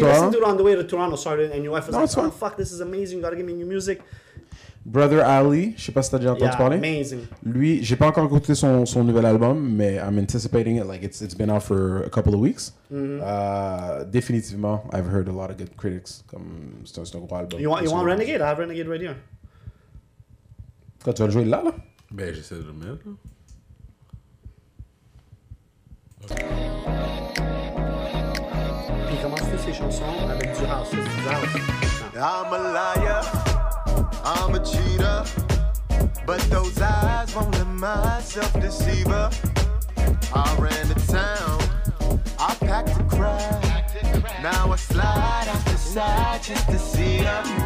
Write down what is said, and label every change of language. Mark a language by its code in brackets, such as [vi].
[en] Actually, we listened to it on the way to Toronto, sorry, and your wife was oh, fuck, this is amazing, you gotta give me new music. [fr] Brother Ali, je sais pas si t'as déjà entendu parler. [en] Amazing. [fr] Lui, j'ai pas encore écouté son nouvel album, mais [en] I'm anticipating it, like it's been out for a couple of weeks. Définitivement, I've heard a lot of good critics, [fr] comme c'est un gros album. [en] You want Renegade? I have Renegade right here. [fr] Quand tu vas le jouer là? Ben, j'essaie de le mettre, là. Puis comment fait ces chansons avec du house, [en] I'm a liar, I'm a cheater, but those eyes won't let myself deceive her. I ran the town, I packed the crowd, now I slide out the side just to see her.